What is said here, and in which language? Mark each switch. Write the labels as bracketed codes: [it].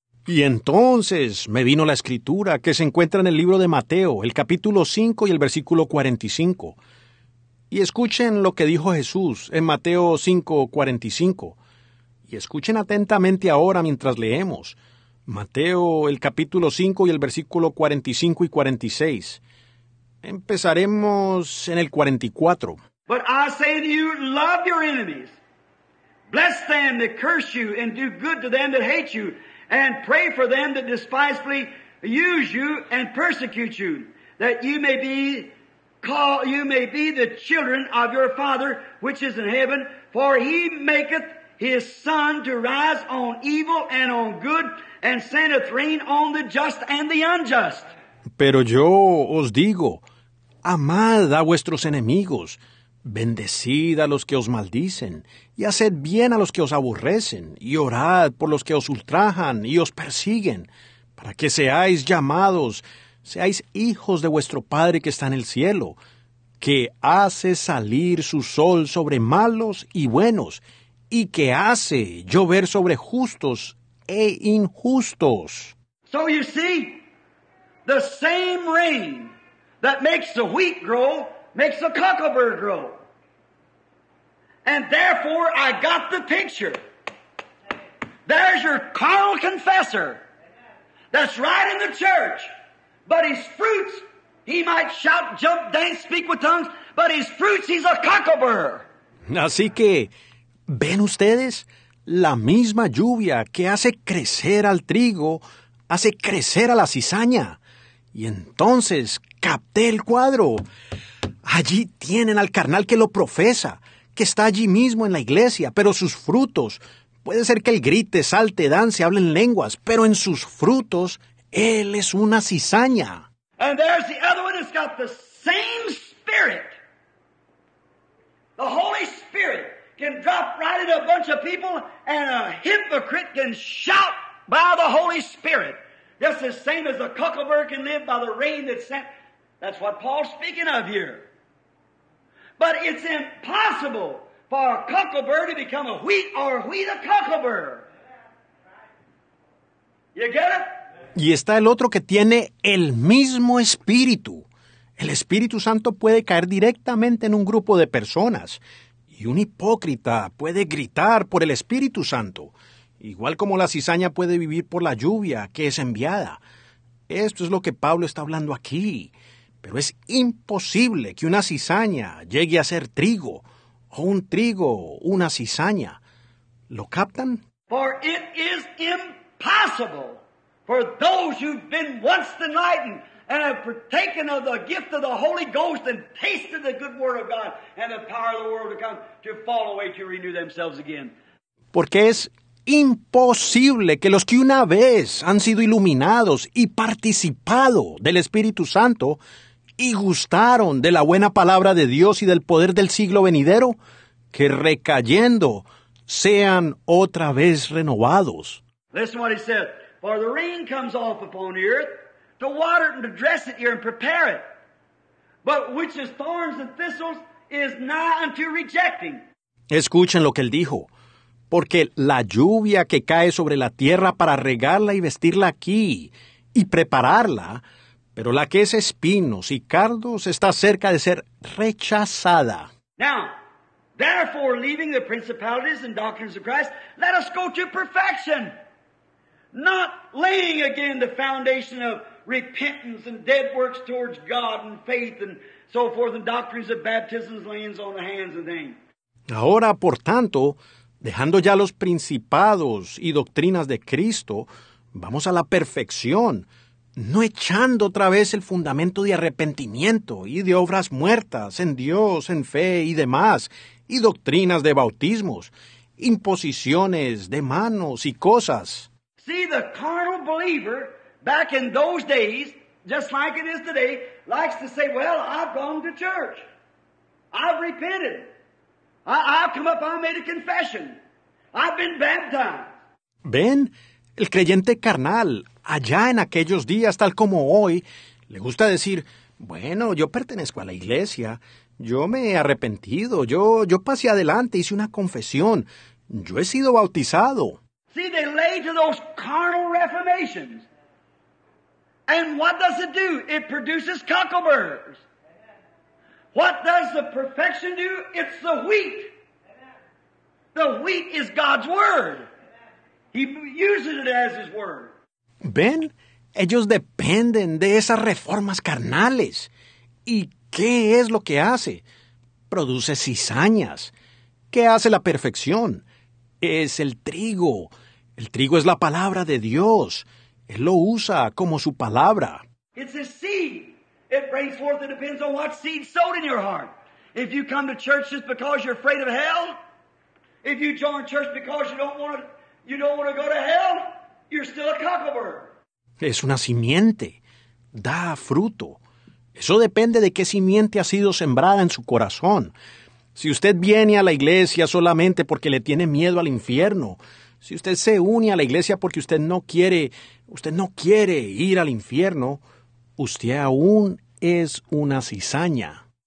[es] Y entonces me vino la escritura que se encuentra en el libro de Mateo, el capítulo 5 y el versículo 45. Y escuchen lo que dijo Jesús en Mateo 5:45. Y escuchen atentamente ahora mientras leemos. Mateo, el capítulo 5 y el versículo 45 y 46. Empezaremos en el 44. [en] But I say to you, love your enemies. Bless them that curse you and do good to them that hate you. And pray for them that despisefully use you and persecute you. That you may be the children of your Father which is in heaven. For he maketh his sun to rise on evil and on good, and sendeth rain on the just and the unjust. [es] Pero yo os digo, amad a vuestros enemigos, bendecid a los que os maldicen, y haced bien a los que os aborrecen, y orad por los que os ultrajan y os persiguen, para que seáis llamados, seáis hijos de vuestro Padre que está en el cielo, que hace salir su sol sobre malos y buenos, y que hace llover sobre justos e injustos. [en] So you see, the same rain that makes the wheat grow makes the cocklebird grow. And therefore, I got the picture. There's your carnal confessor that's right in the church, but his fruits, he might shout, jump, dance, speak with tongues, but his fruits, he's a cocklebird. [es] Así que, ¿ven ustedes? La misma lluvia que hace crecer al trigo, hace crecer a la cizaña. Y entonces, capté el cuadro. Allí tienen al carnal que lo profesa, que está allí mismo en la iglesia, pero sus frutos, puede ser que él grite, salte, dance, hable en lenguas, pero en sus frutos, él es una cizaña. [en] And there's the other one that's got the same spirit. The Holy Spirit can drop right into a bunch of people, and a hypocrite can shout by the Holy Spirit. Just the same as a cucklebird can live by the rain that's sent. That's what Paul's speaking of here. But it's impossible for a cucklebird to become a wheat or a wheat a cucklebird. You get it? [es] Y está el otro que tiene el mismo espíritu. El Espíritu Santo puede caer directamente en un grupo de personas. Y un hipócrita puede gritar por el Espíritu Santo, igual como la cizaña puede vivir por la lluvia que es enviada. Esto es lo que Pablo está hablando aquí. Pero es imposible que una cizaña llegue a ser trigo, o un trigo, una cizaña. ¿Lo captan? [en] For it is impossible for those who've been once enlightened and have partaken of the gift of the Holy Ghost and tasted the good word of God and the power of the world to come to fall away to renew themselves again. [es] Porque es imposible que los que una vez han sido iluminados y participado del Espíritu Santo y gustaron de la buena palabra de Dios y del poder del siglo venidero, que recayendo sean otra vez renovados. [en] Listen to what he said. For the rain comes off upon the earth, to water it and to dress it here and prepare it. But which is thorns and thistles is nigh unto rejecting. [es] Escuchen lo que él dijo. Porque la lluvia que cae sobre la tierra para regarla y vestirla aquí y prepararla, pero la que es espinos y cardos está cerca de ser rechazada. [en] Now, therefore, leaving the principalities and doctrines of Christ, let us go to perfection. Not laying again the foundation of repentance and dead works towards God and faith and so forth and doctrines of baptisms, laying on the hands of them. [es] Ahora, por tanto, dejando ya los principados y doctrinas de Cristo, vamos a la perfección, no echando otra vez el fundamento de arrepentimiento y de obras muertas en Dios, en fe y demás, y doctrinas de bautismos, imposiciones de manos y cosas. [en] See, the carnal believer back in those days, just like it is today, likes to say, well, I've gone to church. I've repented. I've come up, I made a confession. I've been baptized. [es] Ven, el creyente carnal, allá en aquellos días, tal como hoy, le gusta decir, bueno, yo pertenezco a la iglesia. Yo me he arrepentido. Yo pasé adelante, hice una confesión. Yo he sido bautizado. [en] See, they lay to those carnal reformations. And what does it do? It produces cucklebirds. What does the perfection do? It's the wheat. The wheat is God's word. He uses it as his word. [es] Ben, ellos dependen de esas reformas carnales. ¿Y qué es lo que hace? Produce cizañas. ¿Qué hace la perfección? Es el trigo. El trigo es la palabra de Dios. Él lo usa como su palabra. [en] It's a seed. It brings forth, it depends on what seed sowed in your heart. If you come to church just because you're afraid of hell, if you join church because you don't want to go to hell, you're still a cucklebird. [es] Es una simiente. Da fruto. Eso depende de qué simiente ha sido sembrada en su corazón. Si usted viene a la iglesia solamente porque le tiene miedo al infierno, si usted se une a la iglesia porque usted no quiere ir al infierno, usted aún es una cizaña.